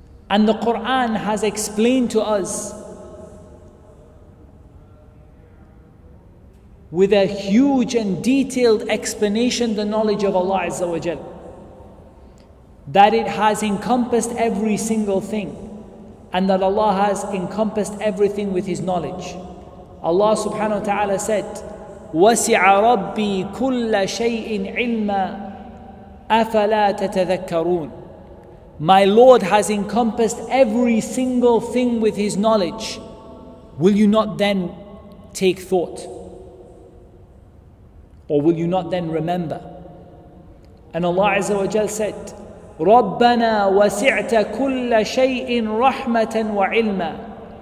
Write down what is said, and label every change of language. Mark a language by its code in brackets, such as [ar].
[en] And the Quran has explained to us with a huge and detailed explanation the knowledge of Allah Azza wa Jal, that it has encompassed every single thing, and that Allah has encompassed everything with His knowledge. [ar] Allah subhanahu wa ta'ala said, وَسِعَ رَبِّي كُلَّ شَيْءٍ عِلْمًا أَفَلَا تَتَذَكَّرُونَ. [en] My Lord has encompassed every single thing with His knowledge. Will you not then take thought? Or will you not then remember? And Allah Azza wa Jal said, [ar] رَبَّنَا وَسِعْتَ كُلَّ شَيْءٍ رَحْمَةً وَعِلْمًا.